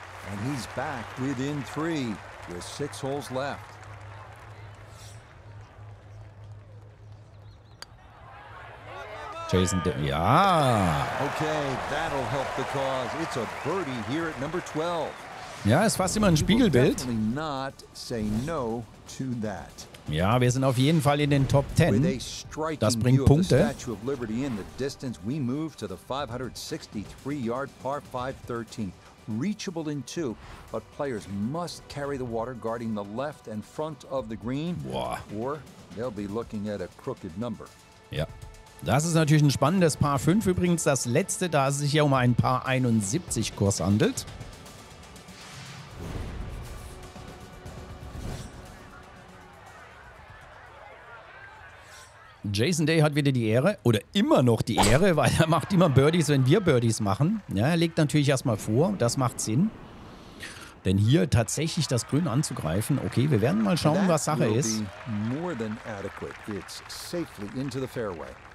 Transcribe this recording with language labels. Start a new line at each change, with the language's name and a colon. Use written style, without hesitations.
English: And he's back within three with 6 holes left. Ja. Okay, that'll help the cause. It's a birdie here at number 12.
German: Ja, ist fast immer ein Spiegelbild.
English: Not say no to that.
German: Ja, wir sind auf jeden Fall in den Top 10. Das bringt Punkte. Statue of Liberty
English: in the distance, we move to the 563-yard par 513. Reachable in two, but players must carry the water guarding the left and front of the green. Boah. Or they'll be looking at a crooked number. Ja.
German: Das ist natürlich ein spannendes Par 5 übrigens, das letzte, da es sich ja um einen Par 71 Kurs handelt. Jason Day hat wieder die Ehre, oder immer noch die Ehre, weil er macht immer Birdies, wenn wir Birdies machen. Ja, er legt natürlich erstmal vor, das macht Sinn. Denn hier tatsächlich das Grün anzugreifen, okay, wir werden mal schauen, was Sache ist.
English: More than adequate. It's safely into the fairway.